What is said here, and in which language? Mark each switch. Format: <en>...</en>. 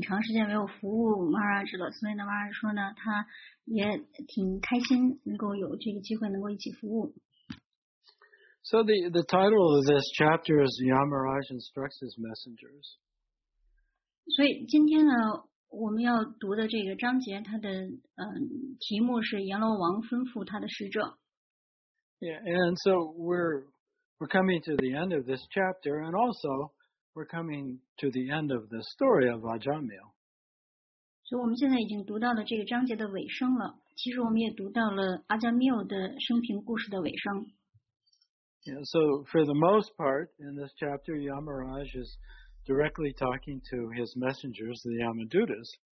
<zh>因为我也很长时间没有服务马拉治了, 所以呢马拉治说呢, 他也挺开心, 能够有这个机会能够一起服务。</zh> <en>So the title of this chapter is Yamaraj Instructs His Messengers.</en> <zh>所以今天呢, 我们要读的这个章节, 它的, 题目是阎罗王吩咐他的使者。</zh> <en>Yeah, and so we're coming to the end of this chapter, and also we're coming to the end of the story of Vajramila.</en> <zh>所以我们现在已经读到了这个章节的尾声了, 其实我们也读到了阿加缪的生平故事的尾声。</zh> <en>Yeah, so for the most part in this chapter, Yamaraj is directly talking to his messengers, the Yamadutas.</en>